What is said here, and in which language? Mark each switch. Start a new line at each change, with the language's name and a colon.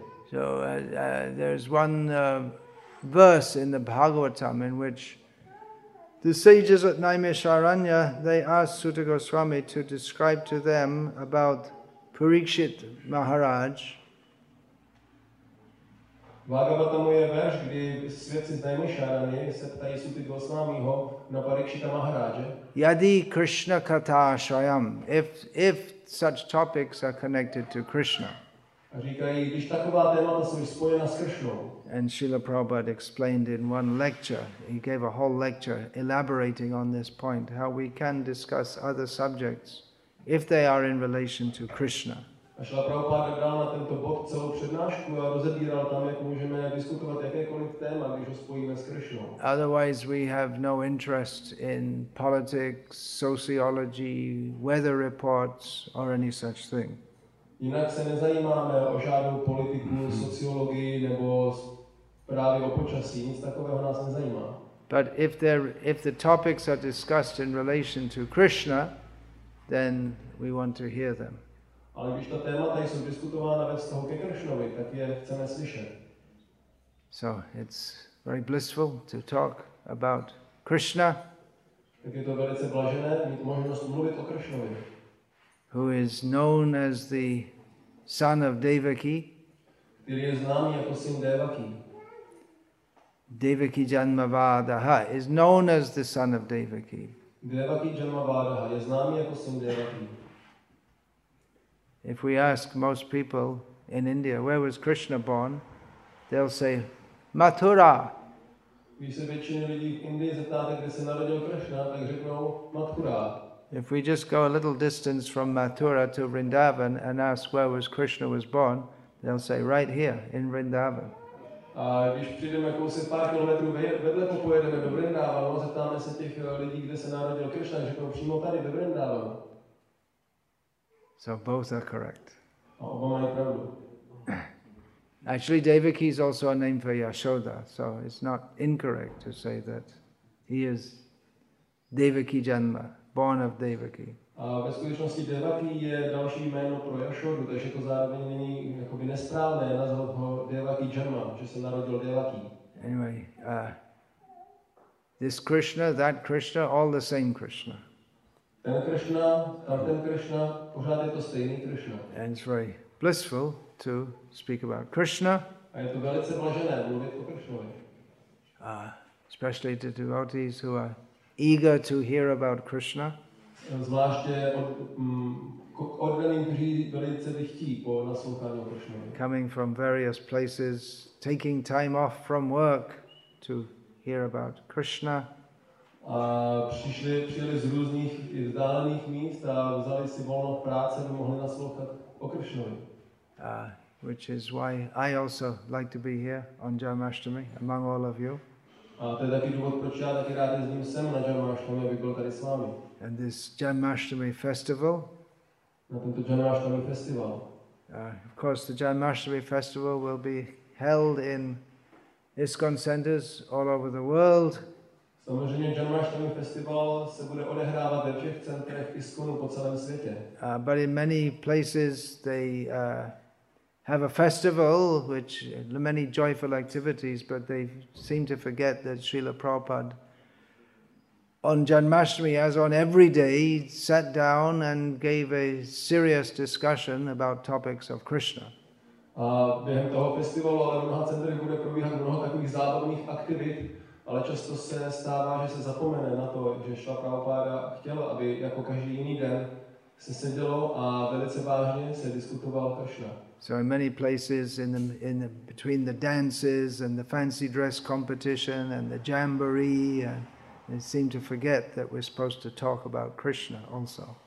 English: So there's one verse in the Bhagavatam in which the sages at Naimisharanya, they asked Suta Goswami to describe to them about Parikshit Maharaj.
Czech: Vágavatamu je verš, kdy svědci z Naimisharany se ptají Suti Goswamiho na Parikshita Maharaja.
Sanskrit: Yadi Krishna Katha Shayam,
English: if such topics are connected to Krishna.
Czech: A říkají, když taková témata jsou spojena s Krishnou.
English: And Srila Prabhupada explained in one lecture, he gave a whole lecture elaborating on this point, how we can discuss other subjects if they are in relation to Krishna.
Czech: A Šrila Prabhupada bral na tento bod celou přednášku a rozebíral tam, jak můžeme diskutovat jakékoliv téma, když ho spojíme s Krishnou.
English: Otherwise we have no interest in politics, sociology, weather reports or any such thing.
Czech: Jinak se nezajímáme o žádnou politiku, sociologii nebo právě o počasí, nic takového nás nezajímá.
English: But if the topics are discussed in relation to Krishna, then we want to hear them.
Czech: Ale když ta témata jsou diskutována ve vztahu ke Krishnovi, tak je chceme slyšet.
English: So it's very blissful to talk about Krishna.
Czech: Tak je to velice blažené mít možnost mluvit o Krishnovi.
English: Who is known as the son of Devaki?
Czech: Který je známý jako syn Devaki.
English: Devaki Janmavadaha is known as the son of Devaki.
Czech: Devaki Janmavadaha je známý jako syn Devaki.
English: If we ask most people in India, where was Krishna born? They'll say, Mathura.
Czech: Když se většině lidí v Indii zeptáte, kde se narodil Krishna, tak řeknou Mathura.
English: If we just go a little distance from Mathura to Vrindavan and ask where was Krishna was born, they'll say right here in Vrindavan.
Czech: A když přijdeme kousek pár kilometrů vedle, pojedeme do Vrindavanu, zeptáme se těch lidí, kde se narodil Krishna, řeknou přímo tady ve Vrindavanu.
English: So both are correct.
Czech: Oba mají pravdu.
English: Actually, Devaki is also a name for Yashoda, so it's not incorrect to say that he is Devaki Janma, born of Devaki.
Czech: A ve skutečnosti Devaki je další jméno pro Yashodu, takže to zároveň není jakoby nesprávné nazvat ho Devaki Janma, že se narodil Devaki.
English: Anyway, this Krishna, that Krishna, all the same Krishna.
Czech: Ten Krishna, tamten Krishna, pořád je to stejný Krishna.
English: And it's very blissful to speak about Krishna.
Czech: A je to velice blažené mluvit o Krishnovi.
English: Especially to devotees who are eager to hear about Krishna.
Czech: Zvláště odvedení, kteří velice by chtí po naslouchání o Krishnovi.
English: Coming from various places, taking time off from work to hear about Krishna.
Czech: A přijeli z různých vzdálených míst a vzali si volno v práci, aby mohli naslouchat o Krishnovi.
English: Which is why I also like to be here on Janmashtami among all of you.
Czech: A to je taky důvod, proč já taky rád jezdím sem na Janmashtami, aby byl tady s vámi.
English: And this Janmashtami festival.
Czech: Na tento Janmashtami festival.
English: Of course, the Janmashtami festival will be held in ISKCON centers all over the world.
Czech: Samozřejmě Janmashtami festival se bude odehrávat ve všech centrech ISKCONu po celém světě.
English: But in many places they have a festival which many joyful activities, but they seem to forget that Srila Prabhupada on Janmashtami, as on every day, sat down and gave a serious discussion about topics of Krishna.
Czech: A během toho festivalu ale mnoha centrech bude probíhat mnoho takových zábavných aktivit. Ale často se stává, že se zapomene na to, že Šrila Prabhupáda chtěl, aby jako každý jiný den se sedělo a velice vážně se diskutovalo Krishna.
English: So in many places in the between the dances and the fancy dress competition and the jamboree, and they seem to forget that we're supposed to talk about Krishna also.